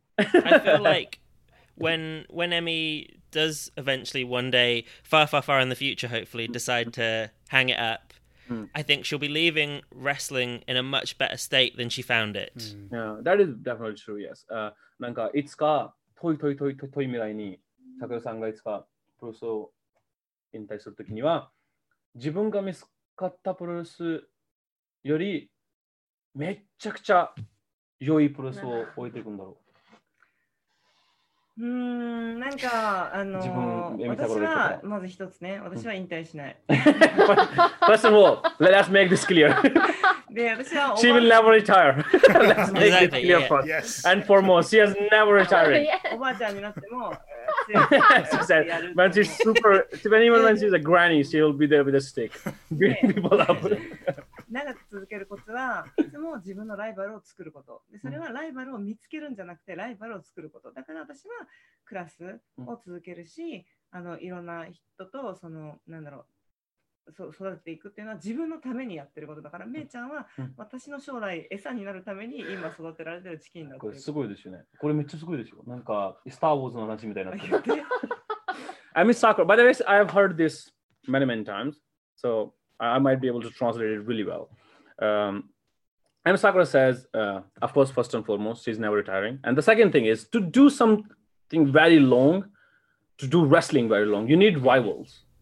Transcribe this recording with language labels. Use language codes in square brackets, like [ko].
[en] I feel like when Emmy does eventually one day, far, far, far in the future, hopefully, decide to hang it up, I think she'll be leaving wrestling in a much better state than she found it. Yeah, that is definitely true, yes. [ja] なんかいつか遠い遠い遠い遠い未来に Sakura さんがいつかプロレスを引退するときには自分が見つかったプロレスよりめっちゃくちゃ良いプロレスを置いていくんだろう。なんか自分見たことか私はまず一つね、私は引退しない。 [en] First of all, let us make this clear. [ja] で私は [en] She will never retire. Let's make exactly, this clear first. And foremost, she has never retired. [ja] おばあちゃんになっても。 [en] When she's super, even when she's a granny, she'll be there with a stick, beating people up. [ja] 長く続けるコツはいつも自分のライバルを作ること。でそれはライバルを見つけるんじゃなくてライバルを作ること。だから私はクラスを続けるし、あのいろんな人とそのなんだろう、そう育てていくっていうのは自分のためにやってることだから、めいちゃんは私の将来餌になるために今育てられてるチキンだっていう。これすごいですよね。これめっちゃすごいですよ。なんかスターウォーズの話みたいになって [en] る。I miss Sakura. By the way, I have heard this many, many times. So I might be able to translate it really well. M. Sakura says, of course, first and foremost, she's never retiring. And the second thing is to do something very long, to do wrestling very long, you need rivals.